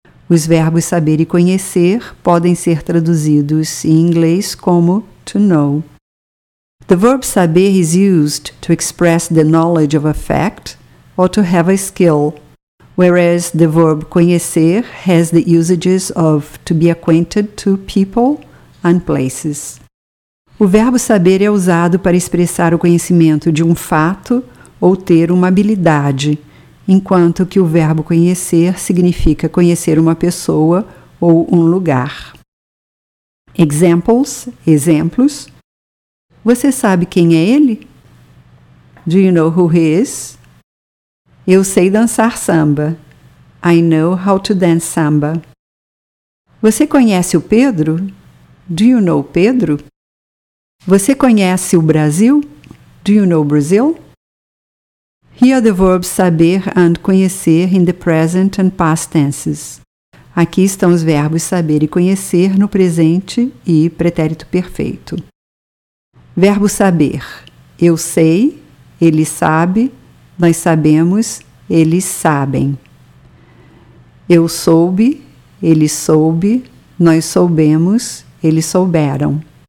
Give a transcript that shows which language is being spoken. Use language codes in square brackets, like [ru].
[pt] Os verbos saber e conhecer podem ser traduzidos em inglês como to know. [en] The verb saber is used to express the knowledge of a fact or to have a skill, whereas the verb conhecer has the usages of to be acquainted to people and places. [pt] O verbo saber é usado para expressar o conhecimento de um fato ou ter uma habilidade, enquanto que o verbo conhecer significa conhecer uma pessoa ou um lugar. Examples, exemplos. Você sabe quem é ele? [en] Do you know who he is? [pt] Eu sei dançar samba. [en] I know how to dance samba. [pt] Você conhece o Pedro? [en] Do you know Pedro? [pt] Você conhece o Brasil? [en] Do you know Brazil? Here are the verbs saber and conhecer in the present and past tenses. [pt] Aqui estão os verbos saber e conhecer no presente e pretérito perfeito. Verbo saber. Eu sei, ele sabe, nós sabemos, eles sabem. Eu soube, ele soube, nós soubemos, eles souberam.